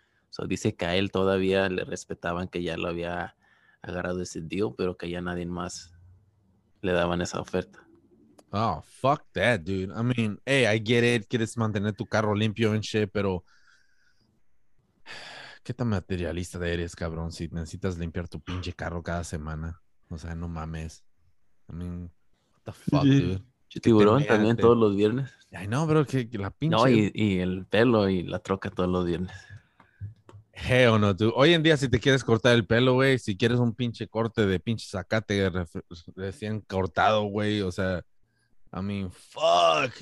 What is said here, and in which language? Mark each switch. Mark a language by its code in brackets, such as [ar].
[es] So dice que a él todavía le respetaban que ya lo había agarrado ese deal, pero que ya nadie más le daban esa oferta. [en] Oh, fuck that, dude. I mean, hey, I get it. [es] Quieres mantener tu carro limpio [en] and shit, [es] pero ¿qué tan materialista eres, cabrón? Si necesitas limpiar tu pinche carro cada semana. O sea, no mames. [en] I mean, what the fuck, dude. [es] Yo tiburón también todos los viernes. Ay, no, bro, que la pinche. No, y el pelo y la troca todos los viernes. Hey, o no, dude. Hoy en día, si te quieres cortar el pelo, güey, si quieres un pinche corte de pinche zacate recién cortado, güey, o sea, [en] I mean, fuck.